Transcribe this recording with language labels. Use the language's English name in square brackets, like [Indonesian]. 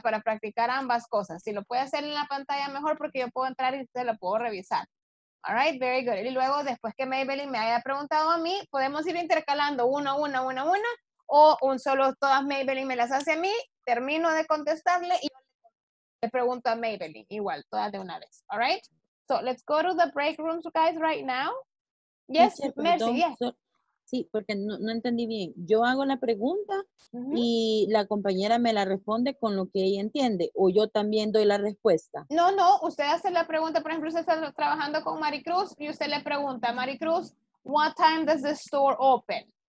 [Spanish] Para practicar ambas cosas. Si lo puede hacer en la pantalla, mejor, porque yo puedo entrar y se lo puedo revisar. [English] All right, very good. [Spanish] Y luego, después que Maybelline me haya preguntado a mí, podemos ir intercalando una, o un solo, todas Maybelline me las hace a mí, termino de contestarle y le pregunto a Maybelline, igual, todas de una vez. [English] All right? So, let's go to the break rooms, guys, right now. Yes, Mercy, yes. [Spanish] Sí, porque no entendí bien. Yo hago la pregunta y la compañera me la responde con lo que ella entiende, o yo también doy la respuesta. No, usted hace la pregunta. Por ejemplo, usted está trabajando con Maricruz y usted le pregunta, Maricruz, [English] what time does the store open?